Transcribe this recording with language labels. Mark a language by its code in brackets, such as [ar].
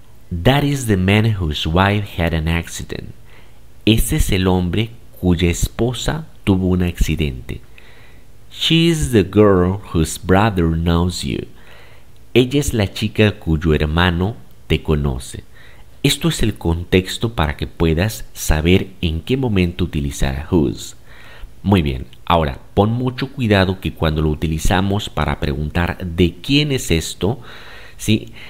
[en] That is the man whose wife had an accident. [es] Ese es el hombre cuya esposa tuvo un accidente. [en] She is the girl whose brother knows you. [es] Ella es la chica cuyo hermano te conoce. Esto es el contexto para que puedas saber en qué momento utilizar whose. Muy bien. Ahora, pon mucho cuidado que cuando lo utilizamos para preguntar de quién es esto, ¿sí?